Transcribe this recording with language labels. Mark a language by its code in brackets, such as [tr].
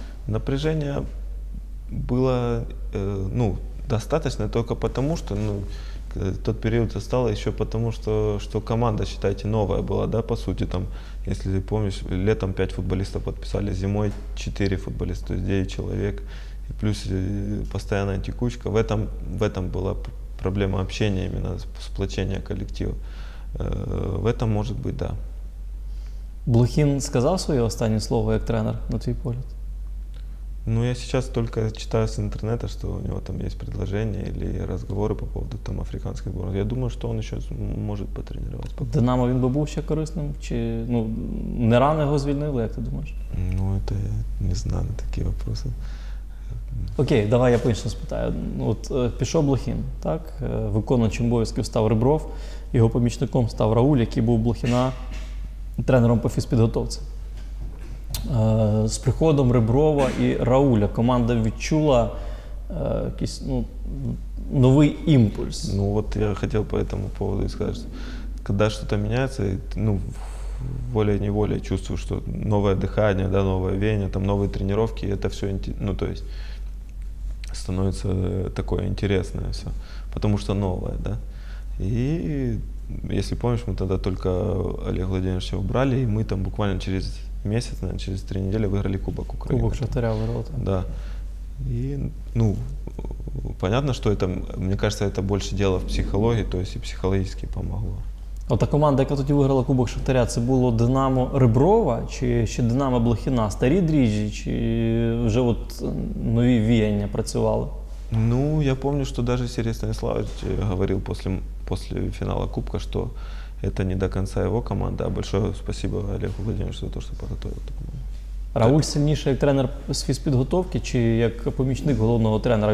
[uk] Напряження було, ну, достатньо тільки тому, що, ну, той період стало ще тому, що команда, вважайте, нова була, да, по суті, там, якщо ти пам'ятаєш, літом 5 футболістів підписали, зимой 4 футболісти, тобто 9 чоловік, і плюс постійна текучка. [ru] В этом була проблема общения, именно сплочения коллектива. В этом может быть, да. Блохин сказал свое [uk] останнє слово як тренер, на твій погляд? [ru] Ну, я сейчас только читаю с интернета, что у него там есть предложение или разговоры по поводу там африканских сборных. Я думаю, что он еще может потренировать. Пока. [uk] Динамо він би був ще корисним? Чи, ну, не рано його звільнили, як ти думаєш? [ru] Ну, это я не знаю на такі вопроси. [uk] Окей, давай я по-іншому спитаю. От пішов Блохин, так? Виконуючим обов'язків став Ребров. Його помічником став Рауль, який був Блохіна тренером по фізпідготовці. З приходом Реброва і Рауля команда відчула якийсь, ну, новий імпульс. Ну, от я хотів по цьому поводу сказати, що коли щось міняється, ну, волі-неволі чувствую, що нове дихання, да, нове веяння, там нові тренування, і це все, ну, то есть, становиться таке інтересне все, тому що нове, да? [ru] И если помнишь, мы тогда только Олега Владимировича убрали, и мы там буквально через месяц, наверное, через 3 недели выиграли Кубок Украины. Кубок Шахтаря выиграл. Да. И, ну, понятно, что это, мне кажется, это больше дело в психологии, то есть и психологически помогло. [uk] А та команда, яка тоді виграла Кубок Шахтаря, це було Динамо Реброва чи ще Динамо Блохіна? Старі дріжджі чи вже от нові віяння працювали? [ru] Ну, я помню, что даже Сергей Станиславович говорил после финала Кубка, что это не до конца его команда. Большое спасибо Олегу Владимировичу за то, что подготовил эту команду. Рауль сильнейший как тренер с физподготовки, чи как помощник главного тренера?